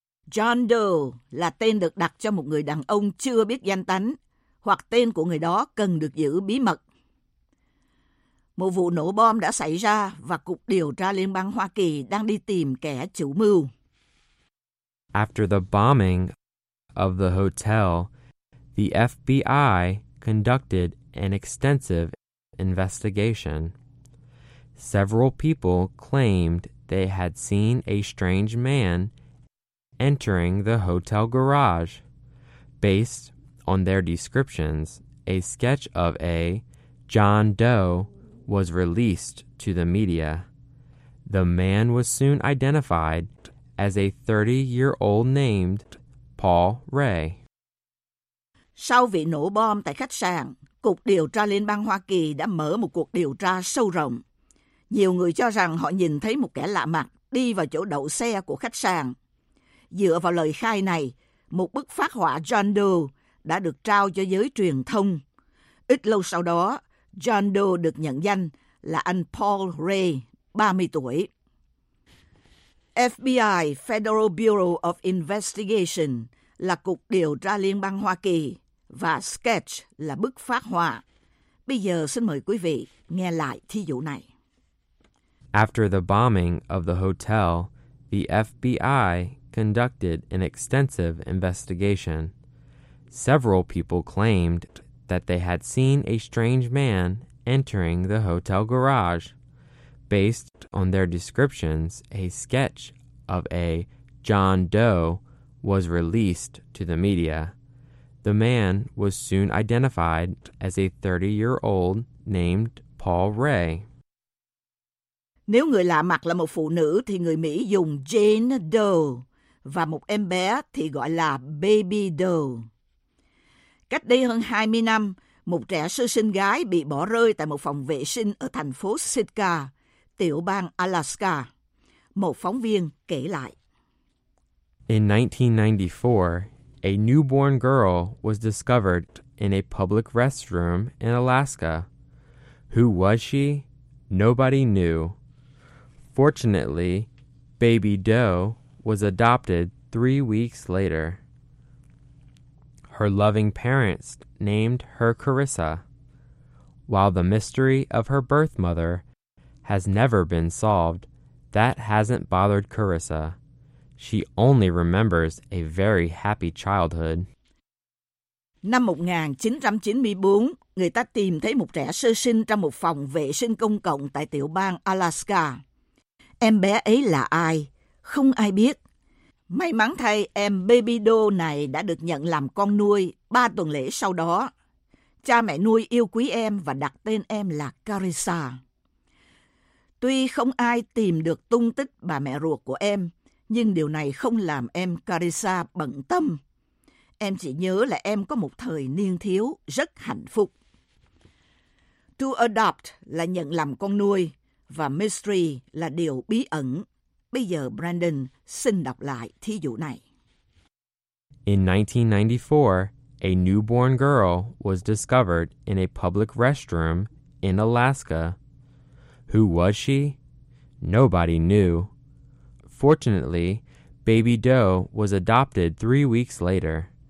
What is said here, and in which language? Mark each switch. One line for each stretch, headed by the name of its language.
Vietnamese: John Doe là tên được đặt cho một người đàn ông chưa biết danh tánh, hoặc tên của người đó cần được giữ bí mật. Một vụ nổ bom đã xảy ra và Cục Điều tra Liên bang Hoa Kỳ đang đi tìm kẻ chủ mưu.
English: After the bombing of the hotel, the FBI conducted an extensive investigation. Several people claimed they had seen a strange man entering the hotel garage. Based on their descriptions, a sketch of a John Doe was released to the media. The man was soon identified as a 30-year-old named Paul Ray.
Vietnamese: Sau vụ nổ bom tại khách sạn, Cục Điều tra Liên bang Hoa Kỳ đã mở một cuộc điều tra sâu rộng. Nhiều người cho rằng họ nhìn thấy một kẻ lạ mặt đi vào chỗ đậu xe của khách sạn. Dựa vào lời khai này, một bức phác họa John Doe đã được trao cho giới truyền thông. Ít lâu sau đó, John Doe được nhận danh là anh Paul Ray, 30 tuổi. FBI, Federal Bureau of Investigation, là Cục Điều tra Liên bang Hoa Kỳ và Sketch là bức phác họa. Bây giờ xin mời quý vị nghe lại thí dụ này.
English: After the bombing of the hotel, the FBI conducted an extensive investigation. Several people claimed that they had seen a strange man entering the hotel garage. Based on their descriptions, a sketch of a John Doe was released to the media. The man was soon identified as a 30-year-old named Paul Ray.
Vietnamese: Nếu người lạ mặt là một phụ nữ thì người Mỹ dùng Jane Doe và một em bé thì gọi là Baby Doe. Cách đây hơn 20 năm, một trẻ sơ sinh gái bị bỏ rơi tại một phòng vệ sinh ở thành phố Sitka, tiểu bang Alaska. Một phóng viên kể lại.
English: In 1994, a newborn girl was discovered in a public restroom in Alaska. Who was she? Nobody knew. Fortunately, Baby Doe was adopted 3 weeks later. Her loving parents named her Carissa. While the mystery of her birth mother has never been solved, that hasn't bothered Carissa. She only remembers a very happy childhood.
Vietnamese: Năm 1994, người ta tìm thấy một trẻ sơ sinh trong một phòng vệ sinh công cộng tại tiểu bang Alaska. Em bé ấy là ai? Không ai biết. May mắn thay, em Baby Doe này đã được nhận làm con nuôi 3 tuần lễ sau đó. Cha mẹ nuôi yêu quý em và đặt tên em là Carissa. Tuy không ai tìm được tung tích bà mẹ ruột của em, nhưng điều này không làm em Carissa bận tâm. Em chỉ nhớ là em có một thời niên thiếu rất hạnh phúc. To adopt là nhận làm con nuôi, và mystery là điều bí ẩn. Bây giờ Brandon xin đọc lại thí dụ này.
English: In 1994, a newborn girl was discovered in a public restroom in Alaska. Who was she? Nobody knew. Fortunately, Baby Doe was adopted 3 weeks later.